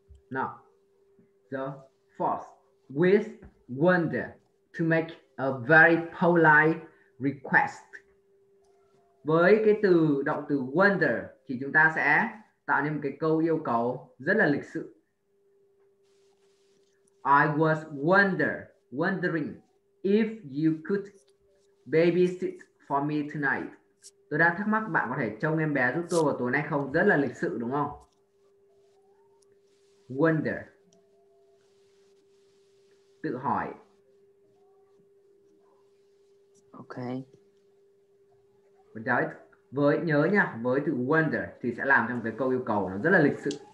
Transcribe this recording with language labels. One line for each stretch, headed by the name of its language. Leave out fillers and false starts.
English: Now, the fourth, with wonder, to make a very polite request.
Vietnamese: Với cái từ động từ wonder thì chúng ta sẽ tạo nên một cái câu yêu cầu rất là lịch sự.
English: I was wondering if you could babysit for me tonight.
Vietnamese: Tôi đang thắc mắc bạn có thể trông em bé giúp tôi vào tối nay không? Rất là lịch sự đúng không? Wonder, tự hỏi.
English: Okay.
Vietnamese: Without, với nhớ nha, với từ wonder thì sẽ làm trong cái câu yêu cầu nó rất là lịch sự.